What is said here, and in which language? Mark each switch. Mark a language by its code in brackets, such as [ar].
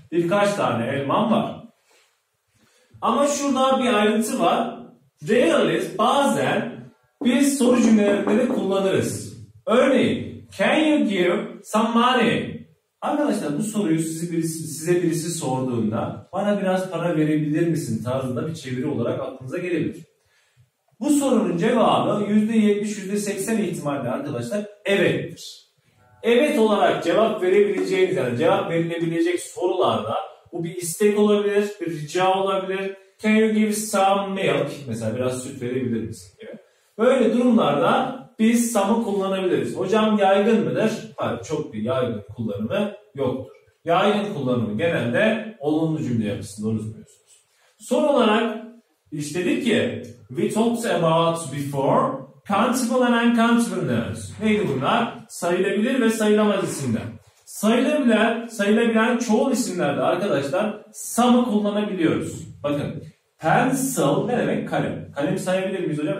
[tr] Birkaç tane elmam var. Ama şurada bir ayrıntı var. Rarely bazen biz soru cümlelerinde de kullanırız. Örneğin, [en] can you give some money? [tr] Arkadaşlar bu soruyu size birisi sorduğunda bana biraz para verebilir misin tarzında bir çeviri olarak aklınıza gelebilir. Bu sorunun cevabı %70-%80 ihtimalle arkadaşlar evettir. Evet olarak cevap verebileceğiniz yani cevap verilebilecek sorularda bu bir istek olabilir, bir rica olabilir. [en] Can you give some milk? [tr] Mesela biraz süt verebilir misin diye. Böyle durumlarda biz some'ı kullanabiliriz. Hocam yaygın mıdır? Hayır, çok bir yaygın kullanımı yoktur. Yaygın kullanımı genelde olumlu cümle yapısında unutmuyorsunuz. Son olarak işte dedik ki [en] we talked about before countable and uncountable nouns. [tr] Neydi bunlar? Sayılabilir ve sayılamaz isimler. Sayılabilen çoğul isimlerde arkadaşlar some'ı kullanabiliyoruz. Bakın pencil ne demek? Kalem. Kalem sayabilir miyiz hocam?